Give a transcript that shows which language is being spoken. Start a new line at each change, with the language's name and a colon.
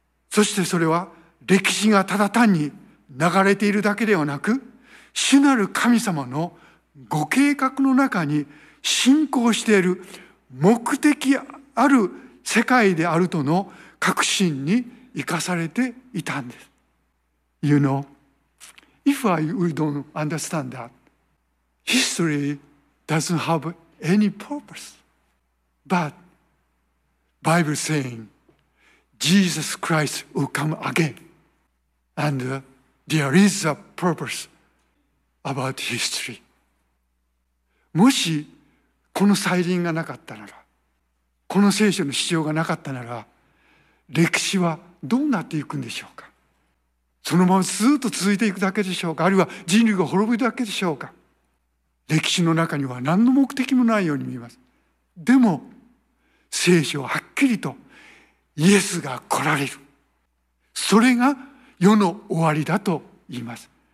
Japanese: そしてそれは歴史がただ単に流れているだけではなく、主なる神様のご計画の中に信仰している目的ある世界であるとの確信に生かされていたんです。
English: You know, if I don't understand that, history doesn't have any purpose. But Bible saying Jesus Christ will come again, and there is a purpose about history.
Japanese: もしこの再臨がなかったなら、この聖書の必要がなかったなら、歴史はどうなっていくんでしょうか。そのままずっと続いていくだけでしょうか、あるいは人類が滅ぶだけでしょうか。歴史の中には何の目的もないように見えます。でも聖書ははっきりとイエスが来られる、それが世の終わりだと言います。